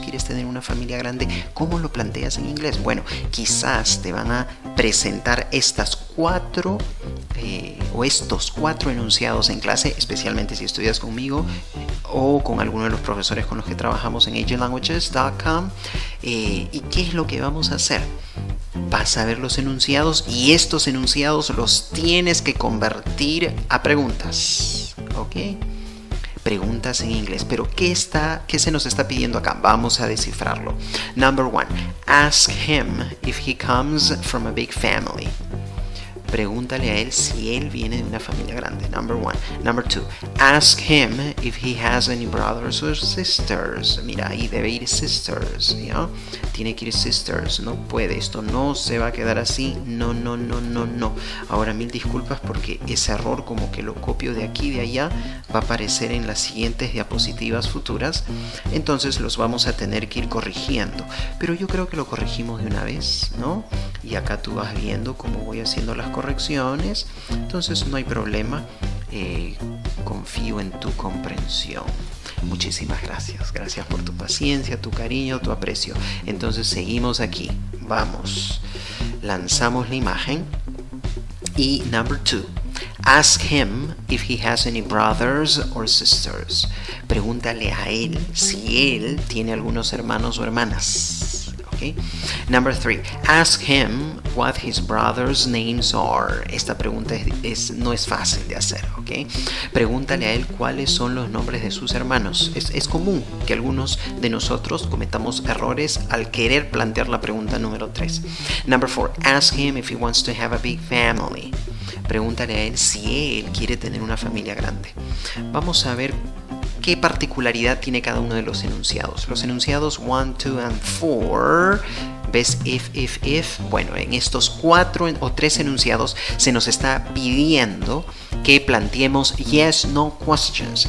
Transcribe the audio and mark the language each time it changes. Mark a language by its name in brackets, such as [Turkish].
[Spanish] ¿Quieres tener una familia grande? ¿Cómo lo planteas en inglés? Bueno, quizás te van a presentar estas cuatro o estos cuatro enunciados en clase, especialmente si estudias conmigo o con alguno de los profesores con los que trabajamos en agentlanguages.com. ¿Y qué es lo que vamos a hacer? Vas a ver los enunciados y estos enunciados los tienes que convertir a preguntas, ¿ok? Preguntas en inglés. Pero ¿qué se nos está pidiendo acá? Vamos a descifrarlo. [English] Number one, ask him if he comes from a big family. [Spanish] Pregúntale a él si él viene de una familia grande. [English] Number one. Number two, ask him if he has any brothers or sisters. [Spanish] Mira, ahí debe ir sisters, ¿no? Tiene que ir sisters. No puede. Esto no se va a quedar así. No, no, no, no, no. Ahora, mil disculpas porque ese error, como que lo copio de aquí y de allá, va a aparecer en las siguientes diapositivas futuras. Entonces, los vamos a tener que ir corrigiendo. Pero yo creo que lo corregimos de una vez, ¿no? Y acá tú vas viendo cómo voy haciendo las correcciones. Entonces, no hay problema. Confío en tu comprensión. Muchísimas gracias. Gracias por tu paciencia, tu cariño, tu aprecio. Entonces, seguimos aquí. Vamos. Lanzamos la imagen. Y [English] number two. Ask him if he has any brothers or sisters. [Spanish] Pregúntale a él si él tiene algunos hermanos o hermanas. [English] Okay. Number three. Ask him what his brothers' names are. [Spanish] Esta pregunta no es fácil de hacer. Okay. Pregúntale a él cuáles son los nombres de sus hermanos. Es común que algunos de nosotros cometamos errores al querer plantear la pregunta número 3. [English] Number four. Ask him if he wants to have a big family. [Spanish] Pregúntale a él si él quiere tener una familia grande. Vamos a ver qué particularidad tiene cada uno de los enunciados. Los enunciados 1, 2 and 4, ¿ves? If. Bueno, en estos 4 o 3 enunciados se nos está pidiendo que planteemos yes, no questions.